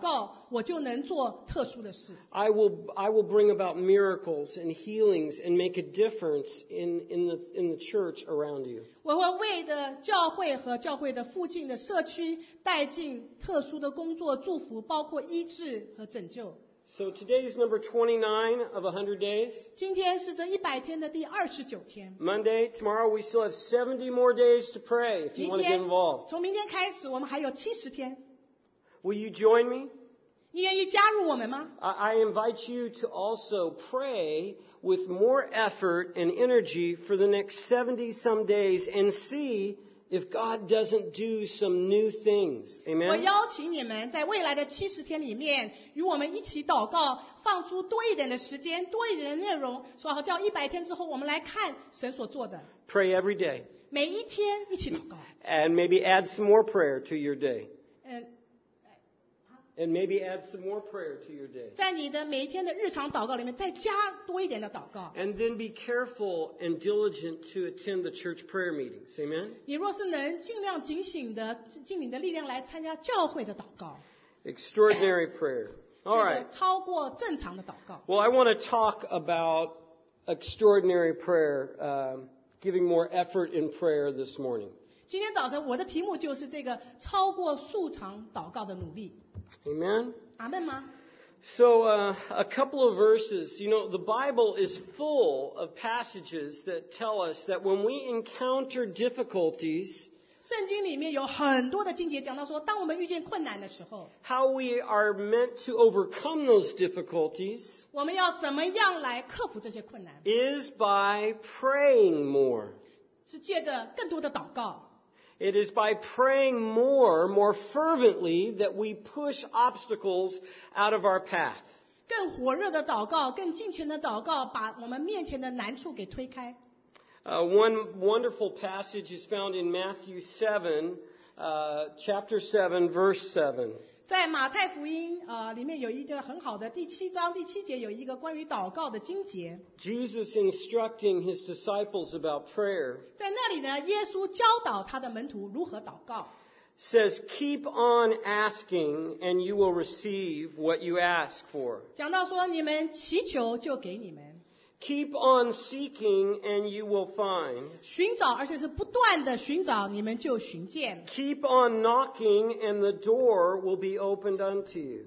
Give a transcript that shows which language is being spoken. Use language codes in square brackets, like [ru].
[zh] 好像神对我说,大卫啊,你若是在未来的100天,你超过寻常的来祷告,我就能做特殊的事。 [en] I will bring about miracles and healings and make a difference in the church around you. [zh] 我会为的教会和教会的附近的社区带进特殊的工作,祝福,包括医治和拯救。 [en] So today is number 29 of 100 days. [zh] 今天是这100天的第29天。 [en] Monday, tomorrow, we still have 70 more days to pray if you want to get involved. [zh] 从明天开始我们还有70天。 [en] Will you join me? [zh] 你愿意加入我们吗? [en] I invite you to also pray with more effort and energy for the next 70 some days and see if God doesn't do some new things. Amen? [zh] 我邀请你们在未来的70天里面与我们一起祷告放出多一点的时间多一点的内容所以叫100天之后我们来看神所做的。 [en] Pray every day. [zh] 每一天一起祷告。 [en] And maybe add some more prayer to your day. And maybe add some more prayer to your day. [zh] 在你的每一天的日常祷告里面再加多一点的祷告。 [en] And then be careful and diligent to attend the church prayer meetings. Amen? [zh] 你若是能尽量警醒的尽你的力量来参加教会的祷告。 [en] Extraordinary prayer. All right. [zh] 超过正常的祷告。 [en] Well, I want to talk about extraordinary prayer, giving more effort in prayer this morning. [zh] 今天早晨我的题目就是这个超过素常祷告的努力。 [en] Amen. Amen. So, a couple of verses. You know, the Bible is full of passages that tell us that when we encounter difficulties, [zh] 圣经里面有很多的经节讲到说，当我们遇见困难的时候， [en] how we are meant to overcome those difficulties, [zh] 我们要怎么样来克服这些困难， [en] is by praying more. [zh] 是借着更多的祷告。 [en] It is by praying more, more fervently, that we push obstacles out of our path. [zh] 更火热的祷告，更敬虔的祷告，把我们面前的难处给推开。 [en] One wonderful passage is found in Matthew 7, chapter 7, verse 7. [zh] 在马太福音里面有一个很好的第七章第七节有一个关于祷告的经节。 [en] Jesus instructing his disciples about prayer. [zh] 在那里呢，耶稣教导他的门徒如何祷告。 [en] Says, keep on asking, and you will receive what you ask for. [zh] 讲到说，你们祈求就给你们。 [en] Keep on seeking and you will find. [zh] 寻找而且是不断的寻找你们就寻见。 [en] Keep on knocking and the door will be opened unto you.